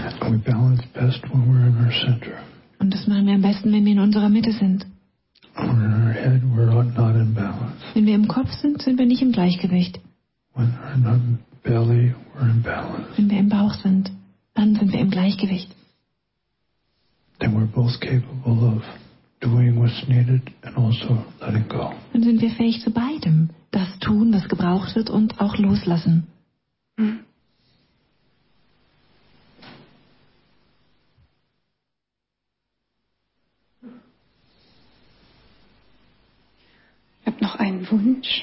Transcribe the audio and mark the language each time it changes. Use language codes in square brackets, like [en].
[en] We balance best when we're in our center. [de] Und das machen wir am besten, wenn wir in unserer Mitte sind. [en] When in our head, we're not in balance. [de] Wenn wir im Kopf sind, sind wir nicht im Gleichgewicht. [en] When we're in our belly, we're in balance. [de] Wenn wir im Bauch sind, dann sind wir im Gleichgewicht. [en] Then we're both capable of doing what's needed and also letting go. [de] Dann sind wir fähig zu beidem. Das tun, was gebraucht wird und auch loslassen. Ich habe noch einen Wunsch.